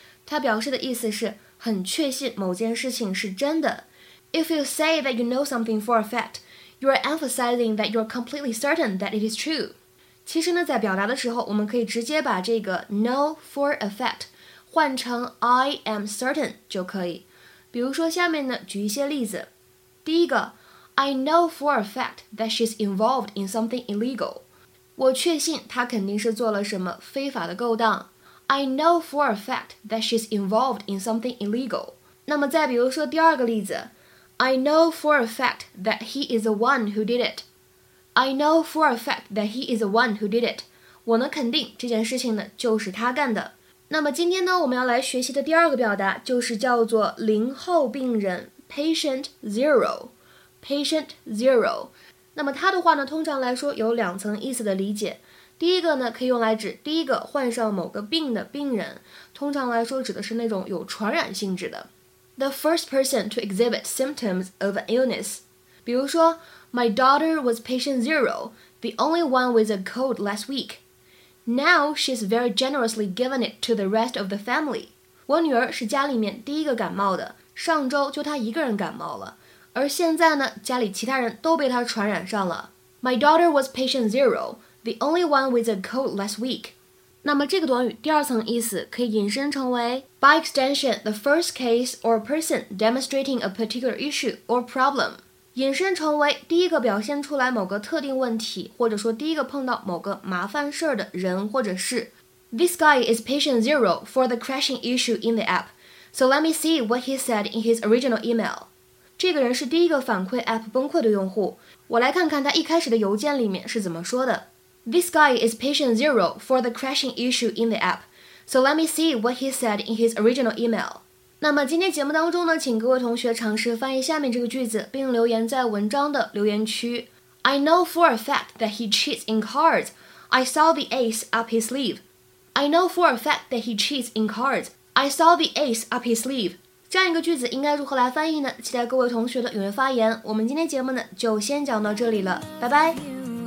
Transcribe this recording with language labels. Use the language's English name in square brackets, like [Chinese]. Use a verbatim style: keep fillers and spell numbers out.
[Chinese] 它表示的意思是很确信某件事情是真的。 [English] If you say that you know something for a fact, you are emphasizing that you are completely certain that it is true. [Chinese] 其实呢，在表达的时候，我们可以直接把这个 know for a fact换成 [English] I am certain [Chinese] 就可以。比如说下面呢，举一些例子。 [English] 第一个 I know for a fact that she's involved in something illegal. [Chinese] 我确信她肯定是做了什么非法的勾当。 [English] I know for a fact that she's involved in something illegal. [Chinese] 那么再比如说第二个例子 [English] I know for a fact that he is the one who did it. I know for a fact that he is the one who did it. [Chinese] 我能肯定这件事情呢，就是他干的。那么今天呢，我们要来学习的第二个表达就是叫做零号病人 patient zero patient zero。那么它的话呢，通常来说有两层意思的理解。第一个呢，可以用来指第一个患上某个病的病人，通常来说指的是那种有传染性质的。 [English] The first person to exhibit symptoms of an illness。比如说 My daughter was patient zero, the only one with a cold last week. Now she's very generously given it to the rest of the family. [Chinese] 我女儿是家里面第一个感冒的，上周就她一个人感冒了，而现在呢，家里其他人都被她传染上了。 [English] My daughter was patient zero, the only one with a cold last week. [Chinese] 那么这个短语第二层意思可以引申成为 [English] By extension, the first case or person demonstrating a particular issue or problem. [Chinese] 引申成为第一个表现出来某个特定问题，或者说第一个碰到某个麻烦事儿的人或者事。 [English] This guy is patient zero for the crashing issue in the app, so let me see what he said in his original email. [Chinese] 这个人是第一个反馈 app 崩溃的用户，我来看看他一开始的邮件里面是怎么说的。 [English] This guy is patient zero for the crashing issue in the app, so let me see what he said in his original email. [Chinese] 那么今天节目当中呢，请各位同学尝试翻译下面这个句子，并留言在文章的留言区。 [English] I know for a fact that he cheats in cards. I saw the ace up his sleeve. I know for a fact that he cheats in cards. I saw the ace up his sleeve. [Chinese] 这样一个句子应该如何来翻译呢？期待各位同学的踊跃发言。我们今天节目呢，就先讲到这里了，拜拜。